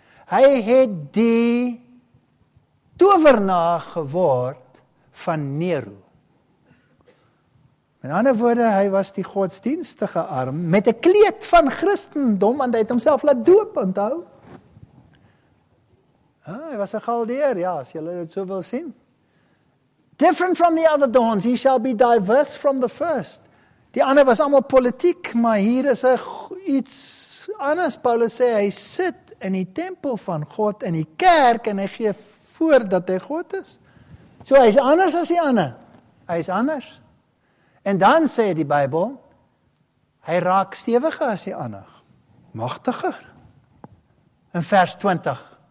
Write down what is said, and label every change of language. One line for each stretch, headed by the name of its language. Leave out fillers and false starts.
Afrikaans: Hy het die tovernaar geword van Nero. In ander woorde, hy was die godsdienstige arm met 'n kleed van Christendom, want hy het homself laat doop, onthou. Hy was 'n Galdeer, ja, as julle dit so wil sien.
English: Different from the other dons, he shall be diverse from the first.
Afrikaans: Die ander was allemaal politiek, maar hier is iets anders. Paulus sê, hy sit in die tempel van God, in die kerk, en hy gee voor dat hy God is. So hy is anders as die ander. Hy is anders. En dan sê die Bybel, hy raak stewiger as die ander, magtiger. In vers 20.